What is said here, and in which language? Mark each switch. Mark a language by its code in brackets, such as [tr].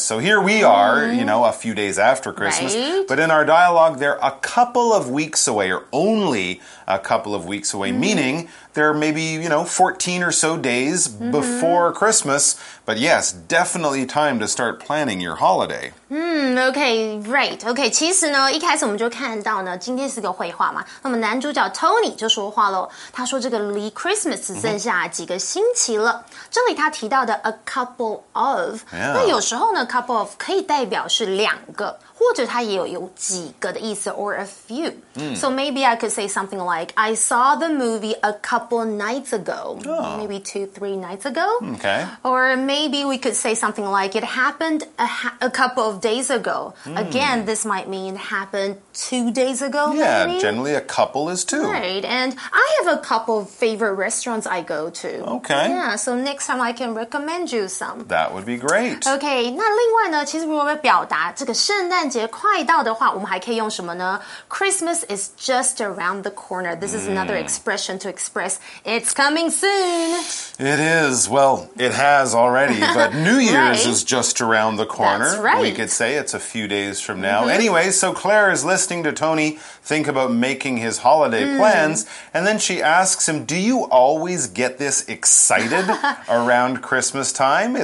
[en] So here we are, you know, a few days after Christmas. Right? But in our dialogue, they're a couple of weeks away, or only a couple of weeks away, meaning they're maybe, you know, 14 or so days before Christmas. But yes, definitely time to start planning your holiday. Okay, right. [zh] Okay, 其实呢，一开始我们就看到呢，今天是个绘画嘛。那么男主角 Tony 就说话咯，他说这个离 Christmas 只剩下几个星期了。这里他提到的 a couple of, 那有时候呢 couple of 可以代表是两个，或者它也有几个的意思 [en] or a few. So maybe I could say something like, I saw the movie a couple nights ago. Maybe 2-3 nights ago. Okay. Or maybe we could say something like, it happened a couple of days ago. Again, this might mean happened 2 days ago. Yeah, maybe? Generally a couple is two. Right, and I have a couple of favorite restaurants I go to. Okay. Yeah, so next time I can recommend you some. That would be great. [zh] Okay, 那另外呢，其实如果要表达这个圣诞节快到的话，我们还可以用什么呢？ [en] Christmas is just around the corner. This is another expression to express it's coming soon. It is. Well, it has already, but New Year's is just around the corner. That's right. We could say it's a few days from now. Anyway, so Claire is listening to Tony think about making his holiday plans, and then she asks him, do you always get this excited around Christmas time?